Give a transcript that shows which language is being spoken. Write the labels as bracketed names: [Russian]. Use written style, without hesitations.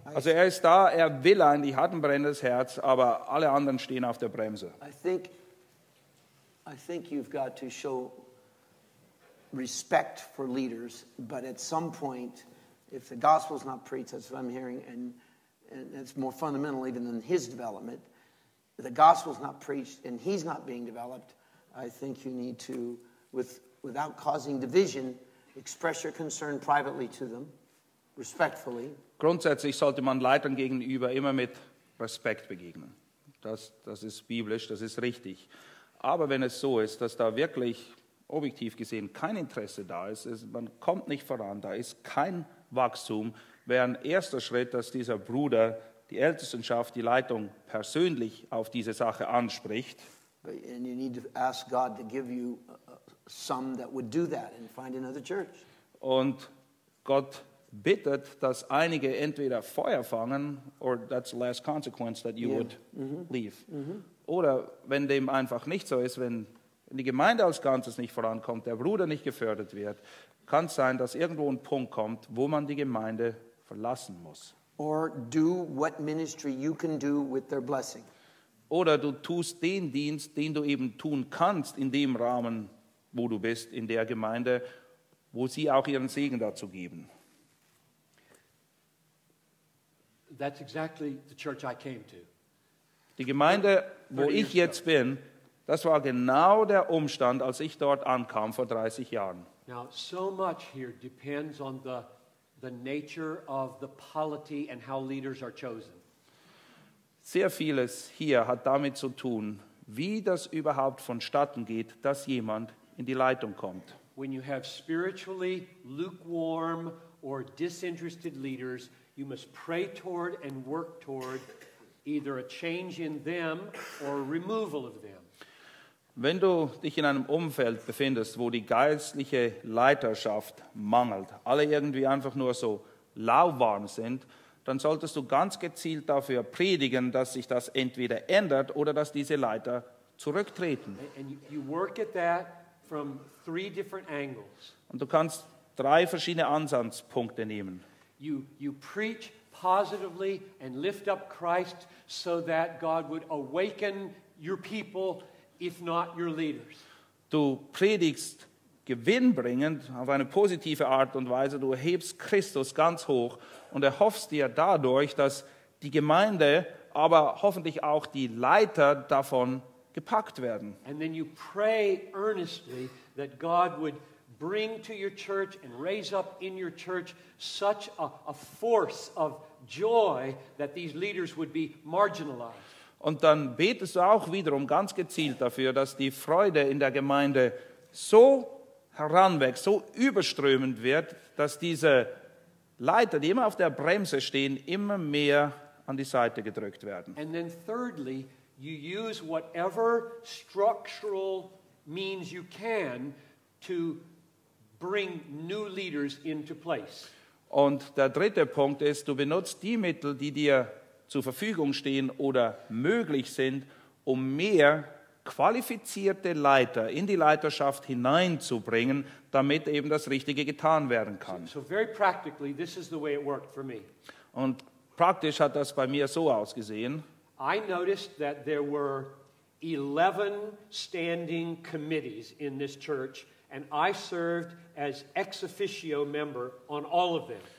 [German] Also er ist da, er will ein, die hat ein brennendes Herz, aber alle anderen stehen auf der Bremse. [English] I think you've got to show respect for leaders, but at some point, if the gospel's not preached, that's what I'm hearing, and it's more fundamental even than his development, if the gospel's not preached and he's not being developed, I think you need to, without causing division, express your concern privately to them, respectfully. [German] Grundsätzlich sollte man Leitern gegenüber immer mit Respekt begegnen. Das ist biblisch, das ist richtig. Aber wenn es so ist, dass da wirklich objektiv gesehen kein Interesse da ist, man kommt nicht voran, da ist kein Wachstum, wäre ein erster Schritt, dass dieser Bruder die Ältestenschaft, die Leitung persönlich auf diese Sache anspricht. [English] And you need to ask God to give you some that would do that and find another church. [German] Und Gott bittet, dass einige entweder Feuer fangen, [English] or that's the last consequence that you would leave. Mm-hmm. [German] Oder wenn dem einfach nicht so ist, wenn die Gemeinde als Ganzes nicht vorankommt, der Bruder nicht gefördert wird, kann es sein, dass irgendwo ein Punkt kommt, wo man die Gemeinde verlassen muss. [English] Or do what ministry you can do with their blessing. [German] Oder du tust den Dienst, den du eben tun kannst in dem Rahmen, wo du bist, in der Gemeinde, wo sie auch ihren Segen dazu geben. [English] That's exactly the church I came to. [German] Die Gemeinde, wo ich jetzt bin, das war genau der Umstand, als ich dort ankam vor 30 Jahren. [English] Now, so much here depends on the nature of the polity and how leaders are chosen. [German] Sehr vieles hier hat damit zu tun, wie das überhaupt vonstatten geht, dass jemand in die Leitung kommt. [English] When you have spiritually lukewarm or disinterested leaders, you must pray toward and work toward either a change in them or a removal of them. [German] Wenn du dich in einem Umfeld befindest, wo die geistliche Leiterschaft mangelt, alle irgendwie einfach nur so lauwarm sind, dann solltest du ganz gezielt dafür predigen, dass sich das entweder ändert oder dass diese Leiter zurücktreten. [English] And you work at that from three different angles. [German] Und du kannst drei verschiedene Ansatzpunkte nehmen. [English] You preach positively and lift up Christ so that God would awaken your people, if not your leaders. [German] Du predigst gewinnbringend auf eine positive Art und Weise, du erhebst Christus ganz hoch und erhoffst dir dadurch, dass die Gemeinde, aber hoffentlich auch die Leiter davon gepackt werden. [English] And then you pray earnestly that God would bring to your church and raise up in your church such a force of joy that these leaders would be marginalized. [German] Und dann betest du auch wiederum ganz gezielt dafür, dass die Freude in der Gemeinde so heranwächst, so überströmend wird, dass diese Leiter, die immer auf der Bremse stehen, immer mehr an die Seite gedrückt werden. [English] And then thirdly, you use whatever structural means you can to bring new leaders into place. [German] Und der dritte Punkt ist, du benutzt die Mittel, die dir zur Verfügung stehen oder möglich sind, um mehr qualifizierte Leiter in die Leiterschaft hineinzubringen, damit eben das Richtige getan werden kann. [English] So very practically, this is the way it worked for me. [German] Und praktisch hat das bei mir so ausgesehen. [English] I noticed that there were 11 standing committees in this church, and I served as ex officio member on all of them.